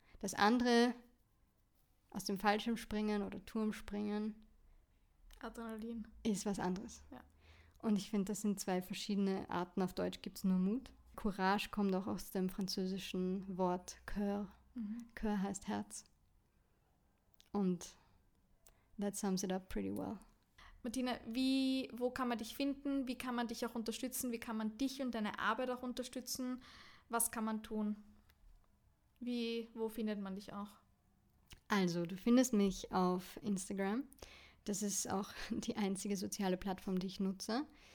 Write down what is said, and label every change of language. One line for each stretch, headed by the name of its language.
German: Das andere, aus dem Fallschirm springen oder Turm springen, Adrenalin, ist was anderes. Ja. Und ich finde, das sind 2 verschiedene Arten. Auf Deutsch gibt es nur Mut. Courage kommt auch aus dem französischen Wort Cœur. Mhm. Cœur heißt Herz. Und
English: that sums it up pretty well.
German: Martina, wo kann man dich finden? Wie kann man dich auch unterstützen? Wie kann man dich und deine Arbeit auch unterstützen? Was kann man tun? Wo findet man dich auch? Also, du findest mich auf Instagram. Das ist auch die einzige soziale Plattform, die ich nutze.